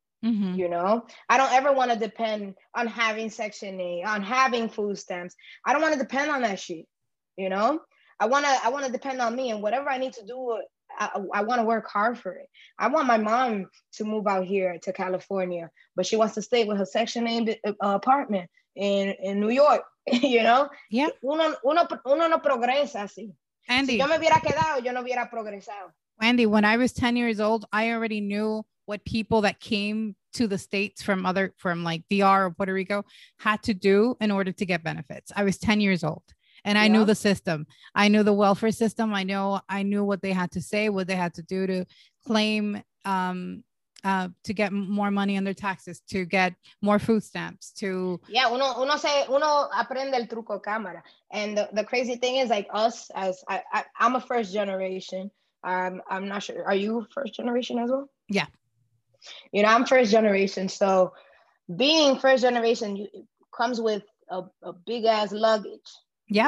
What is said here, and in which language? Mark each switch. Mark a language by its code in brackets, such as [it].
[en] You know, I don't ever want to depend on having Section 8, on having food stamps. I don't want to depend on that shit. You know, I want to depend on me and whatever I need to do. I want to work hard for it. I want my mom to move out here to California, but she wants to stay with her Section 8 apartment in New York. You know, [es] uno no progresa así. Andy, si yo me hubiera quedado, yo no hubiera progresado. [en] Andy, when I was 10 years old, I already knew what people that came to the States from like DR or Puerto Rico had to do in order to get benefits. I was 10 years old. And I knew the system. I knew the welfare system. I knew what they had to say, what they had to do to claim, to get more money on their taxes, to get more food stamps, to... [es] Yeah, uno aprende el truco cámara. [en] And the crazy thing is, like, us, as I'm a first generation. I'm not sure. Are you first generation as well? Yeah. You know, I'm first generation. So being first generation comes with a big ass luggage. Yeah,